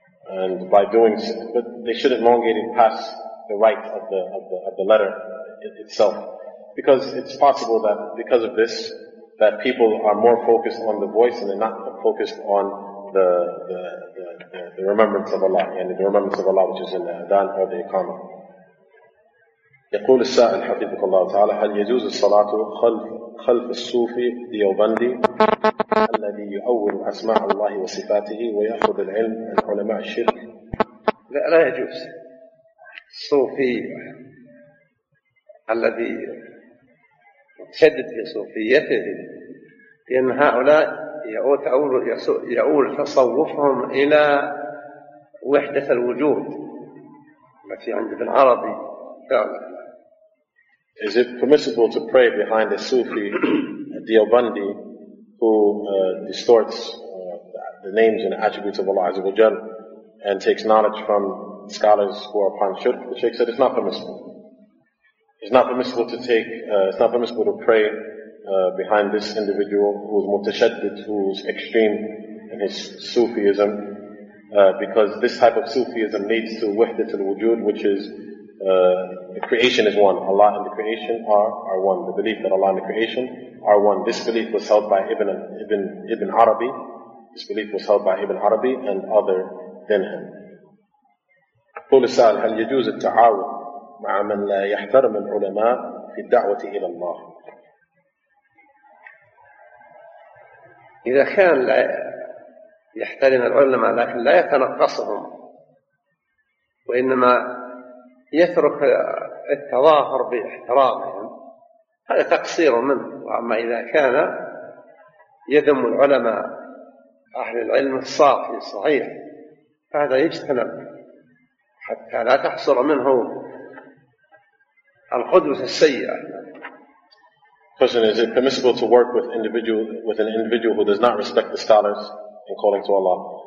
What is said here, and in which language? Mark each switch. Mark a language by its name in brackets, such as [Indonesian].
[English] And by doing so, but they shouldn't elongate it past the right of the letter itself. Because it's possible that because of this, that people are more focused on the voice and they're not focused on the remembrance of Allah, yani the remembrance of Allah which is in the adhan or the iqama. [Arabic] يقول السائل حفظك الله تعالى هل يجوز الصلاة خلف الصوفي ديوبندي الذي يؤول أسماء الله وصفاته ويأخذ العلم عن علماء الشرك؟ لا يجوز. الصوفي الذي شدد في صوفيته، لأن هؤلاء يؤول تصوفهم إلى وحدة الوجود التي عند ابن عربي فعلا. [English] Is it permissible to pray behind a Sufi, a Diobandi, who distorts the names and attributes of Allah Azza wa Jal and takes knowledge from scholars who are upon shirk? The Shaykh said it's not permissible. It's not permissible to pray behind this individual who is mutashaddid, who is extreme in his Sufism, because this type of Sufism leads to wahdat al-wujud, which is the creation is one. Allah and the creation are one. The belief that Allah and the creation are one. This belief was held by Ibn Arabi. This belief was held by Ibn Arabi and other than him. [Arabic] قول السائل هل يجوز التعاون مع من لا يحترم العلماء في الدعوة إلى الله؟ إذا كان لا يحترم العلماء لكن لا يتنقصهم وإنما يترك التظاهر باحترامهم هذا تقصير منه. وأما إذا كان يذم العلماء أهل العلم الصافي الصحيح فهذا يجتنب حتى لا تحصر منه القدوة السيئة. [English] Question: is it permissible to work with an individual who does not respect the scholars in calling to Allah?